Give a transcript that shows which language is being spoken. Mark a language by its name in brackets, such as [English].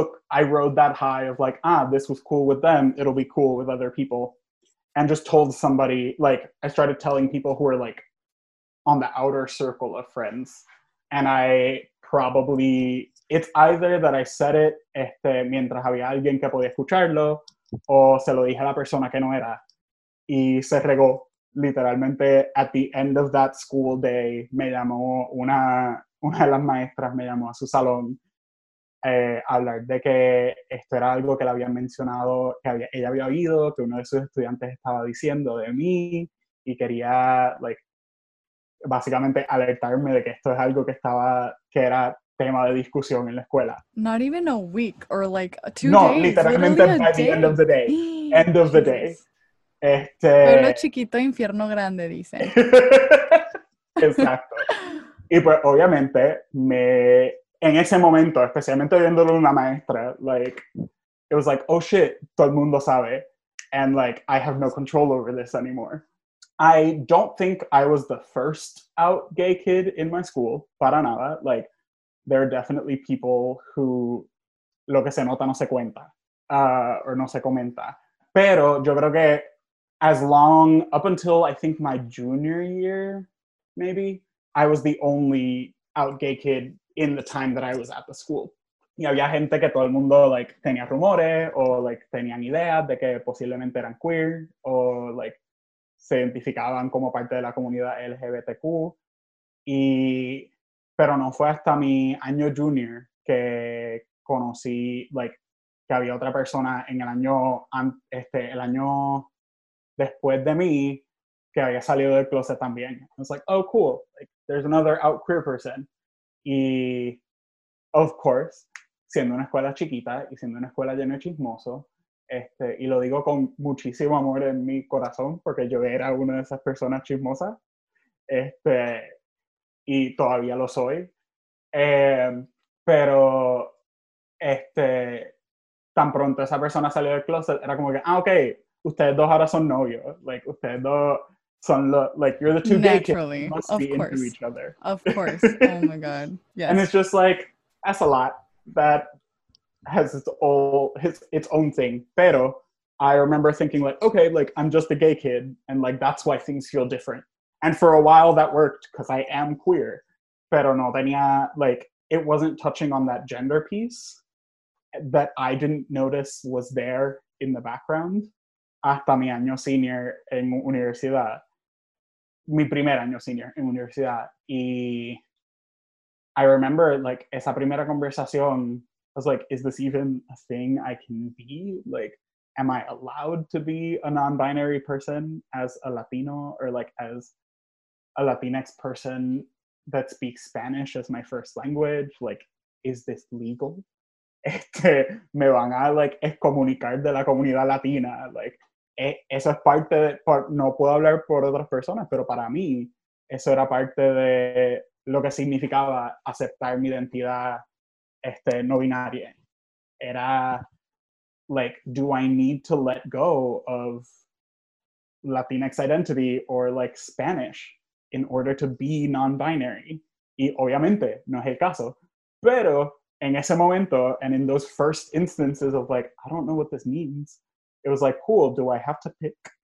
[English] I rode that high of like, ah, this was cool with them. It'll be cool with other people. And just told somebody, like, I started telling people who are like on the outer circle of friends. And I probably, it's either that I said it [Spanish] mientras había alguien que podía escucharlo, o se lo dije a la persona que no era. y se regó. Literalmente, [English] at the end of that school day, [Spanish] me llamó una de las maestras, me llamó a su salón a hablar de que esto era algo que le habían mencionado, que había, ella había oído, que uno de sus estudiantes estaba diciendo de mí y quería, like, básicamente alertarme de que esto es algo que estaba, que era tema de discusión en la escuela. [English] Not even a week or like two no, days. No, literalmente by the end of the day. End of the day. Este... [Spanish] Pueblo chiquito, infierno grande, dicen. Exacto. Y pues obviamente, me en ese momento, especialmente viéndolo una maestra, like, [English] it was like, oh shit, [Spanish] todo el mundo sabe. [English] And like, I have no control over this anymore. I don't think I was the first out gay kid in my school, [Spanish] para nada. Like, [English] there are definitely people who, [Spanish] lo que se nota no se cuenta, or no se comenta. Pero yo creo que [English] as long, up until I think my junior year, maybe, I was the only out gay kid in the time that I was at the school. [Spanish] Y había gente que todo el mundo, like, tenía rumores, o, like, tenían ideas de que posiblemente eran queer, o, like, se identificaban como parte de la comunidad LGBTQ. Y, pero no fue hasta mi año junior que conocí, like, que había otra persona en el año, este, el año después de mí, que había salido del closet también. [English] I was like, oh, cool. Like, there's another out queer person. [Spanish] Y, [English] of course, [Spanish] siendo una escuela chiquita y siendo una escuela llena de chismoso, este, y lo digo con muchísimo amor en mi corazón, porque yo era una de esas personas chismosas, este, y todavía lo soy. Pero, este, tan pronto esa persona salió del closet, era como que, ah, ok, ustedes dos ahora son novios. Like, ustedes dos son los, like, [English] you're the two naturally, gay kids. Naturally, of be course. Into each other. Of course. Oh my God. Yes. And it's just like, that's a lot. That has its, all, its own thing. Pero I remember thinking, like, okay, like, I'm just a gay kid. And, like, that's why things feel different. And for a while that worked because I am queer. Pero no tenía, like, it wasn't touching on that gender piece that I didn't notice was there in the background. [Spanish] Hasta mi año senior en universidad, mi primer año senior en universidad, y [English] I remember, [Spanish] like, esa primera conversación, [English] I was like, is this even a thing I can be? Like, am I allowed to be a non-binary person as a Latino, or, like, as a Latinx person that speaks Spanish as my first language? Like, is this legal? [Spanish] Este, me van a, like, excomunicar de la comunidad latina, like, eso es parte de, no puedo hablar por otras personas, pero para mí eso era parte de lo que significaba aceptar mi identidad, este, no binaria. [English] Era like, do I need to let go of Latinx identity or like Spanish in order to be non-binary? [Spanish] Y obviamente no es el caso, pero en ese momento [English] and in those first instances of like, I don't know what this means, it was like, cool, do I have to pick?